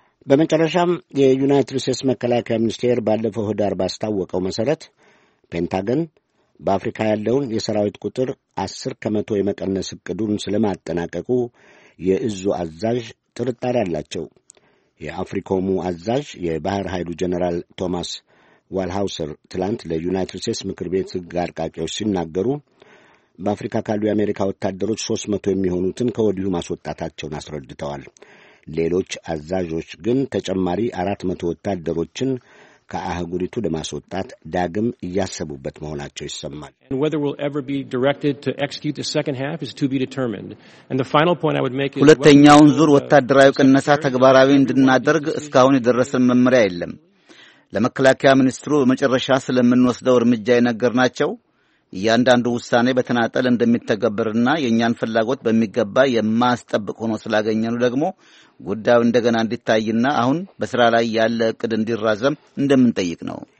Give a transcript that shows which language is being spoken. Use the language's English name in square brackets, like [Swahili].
[Amharic] በመጨረሻም የዩናይትድ ስቴትስ መከላከያ ሚኒስቴር ባለፈው ህዳር ባስታወቀው መሰረት ፔንታገን በአፍሪካ ያለውን የሰራዊት ቁጥር 10% የመቀነስ እቅዱን ስለማጠናቀቁ የእዙ አዛዥ ጥርጣሬ አላቸው። የአፍሪኮሙ አዛዥ የባህር ኃይሉ ጀነራል ቶማስ ዋልሃውሰር ትላንት ለዩናይትድ ስቴትስ ምክር ቤት ሕግ አርቃቂዎች ሲናገሩ በአፍሪካ ካሉ የአሜሪካ ወታደሮች 300 የሚሆኑትን ከወዲሁ ማስወጣታቸውን አስረድተዋል። ሌሎች አዛዦች ግን ተጨማሪ 400 ወታደሮችን ከአህጉሪቱ ለማስወጣት ዳግም እያሰቡበት መሆናቸው ይሰማል። [English] And whether we'll ever be directed to execute the second half is to be determined. And the final point I would make is [Amharic] ሁለተኛውን ዙር ወታደራዊ ቅነሳ ተግባራዊ እንድናደርግ እስካሁን የደረሰን መመሪያ የለም። ለመከላከያ ሚኒስትሩ መጨረሻ ስለምንወስደው እርምጃ የነገርናቸው ያንዳንዱ ውሳኔ በተናጠል እንደሚተገበርና የኛን ፍላጎት በሚገባ የማስጠብቅ ሆኖ ስላገኘነው ደግሞ ጉዳዩ እንደገና እንዲታይና አሁን በስራ ላይ ያለ እቅድ እንዲራዘም እንደምንጠይቅ ነው።